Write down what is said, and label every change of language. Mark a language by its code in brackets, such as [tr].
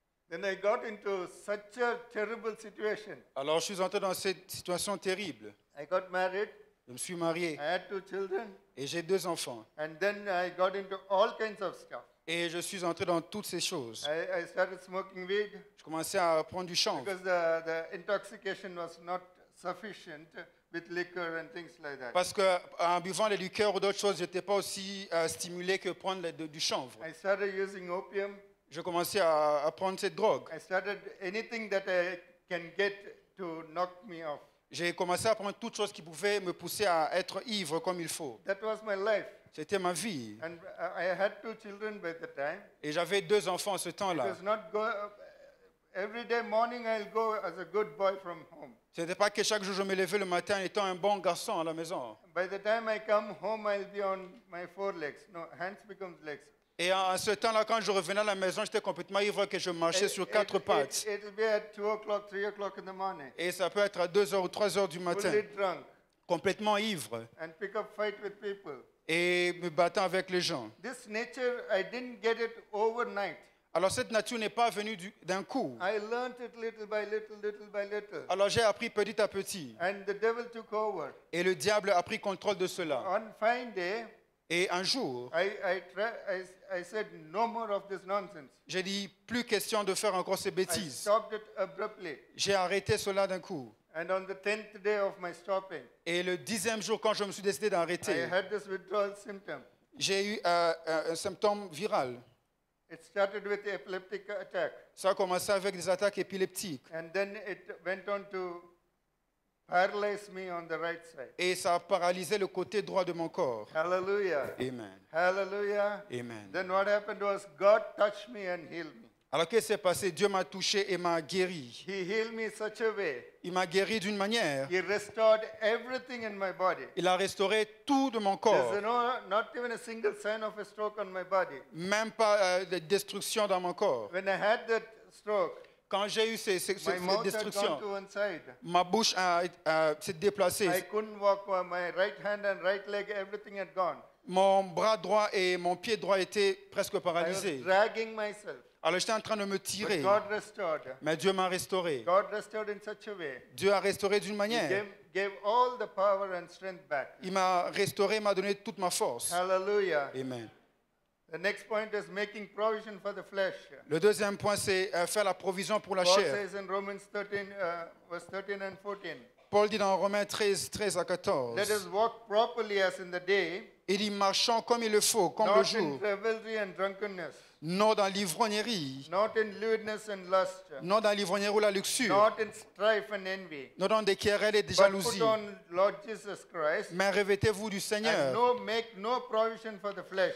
[en] Then I got into such a terrible situation. [fr] Alors je suis entré dans cette situation terrible. [en] I got married. [fr] Je me suis marié. [en] I had 2 children. [fr] Et j'ai 2 enfants. [en] And then I got into all kinds of stuff. [fr] Et je suis entré dans toutes ces choses. [en] I started smoking weed. [fr] Je commençais à prendre du chanvre. [en] Because the intoxication was not sufficient. With liquor and things like that. [fr] Parce qu'en buvant les liqueurs ou d'autres choses, je n'étais pas aussi stimulé que prendre du chanvre. [en] I started using opium. [fr] Je commençais à prendre cette drogue. [en] I started anything that I can get to knock me off. [fr] J'ai commencé à prendre toutes choses qui pouvaient me pousser à être ivre comme il faut. [en] That was my life. [fr] C'était ma vie. [en] And I had 2 children by the time. [fr] Et j'avais 2 enfants à ce temps-là. [en] It was not good. Every day morning I'll go as a good boy from home. [fr] Ce n'était pas que chaque jour je me levais le matin étant un bon garçon à la maison. [en] By the time I come home I'll be on my 4 legs. No, hands becomes legs. [fr] Et en ce temps-là, quand je revenais à la maison, j'étais complètement ivre que je marchais sur 4 pattes. [en] It'll be at 2 o'clock, 3 o'clock in the morning. [fr] Et ça peut être à 2h ou 3h du matin. [en] Fully drunk. [fr] Complètement ivre. [en] And pick up fight with people. [fr] Et me battant avec les gens. [en] This nature, I didn't get it overnight. [fr] Alors cette nature n'est pas venue d'un coup. [en] I learned it little by little, little by little. [fr] Alors j'ai appris petit à petit. [en] And the devil took over. [fr] Et le diable a pris contrôle de cela. [en] On fine day, [fr] et un jour, [en] I said no more of this nonsense. [fr] J'ai dit plus question de faire encore ces bêtises. [en] I stopped it abruptly. [fr] J'ai arrêté cela d'un coup. [en] And on the 10th day of my stopping, [fr] et le 10e jour quand je me suis décidé d'arrêter, [en] I had this withdrawal symptom. [fr] J'ai eu un symptôme viral. [en] It started with the epileptic attack. [fr] Ça a commencé avec des attaques épileptiques. [en] And then it went on to paralyze me on the right side. [fr] Et ça a paralysé le côté droit de mon corps. [en] Hallelujah. Amen. Hallelujah. Amen. Then what happened was God touched me and healed me. [fr] Alors qu'est-ce qui s'est passé? Dieu m'a touché et m'a guéri. [en] He healed me such a way. [fr] Il m'a guéri d'une manière. [en] He restored everything in my body. [fr] Il a restauré tout de mon corps. [en] There's not even a single sign of a stroke on my body. [fr] Même pas de destruction dans mon corps. [en] When I had that stroke, [fr] quand j'ai eu cette destruction, [en] my mouth had gone to one side. [fr] Ma bouche a s'est déplacée. [en] I couldn't walk. My right hand and right leg, everything had gone. [fr] Mon bras droit et mon pied droit étaient presque paralysés. [en] I was dragging myself. [fr] Alors j'étais en train de me tirer. [en] God restored. [fr] Mais Dieu m'a restauré. [en] God restored in such a way. [fr] Dieu a restauré d'une manière. [en] He gave all the power and strength back. [fr] Il m'a restauré, m'a donné toute ma force. [en] Hallelujah. Amen. The next point is making provision for the flesh. [fr] Le deuxième point c'est faire la provision pour la chair. [en] Paul says in Romans 13, verse 13 and 14. [fr] Paul dit dans Romains 13, 13 à 14. [en] Let us walk properly as in the day. [fr] et y marchant comme il le faut, comme le jour. [en] Not in revelry and drunkenness. [fr] Non dans l'ivrognerie. [en] Not in lewdness and lust. [fr] Non dans l'ivrognerie ou la luxure. [en] Not in strife and envy. [fr] Non dans des querelles et des jalousies. [en] But put on Lord Jesus Christ. [fr] Mais revêtez-vous du Seigneur. [en] And no, make no provision for the flesh.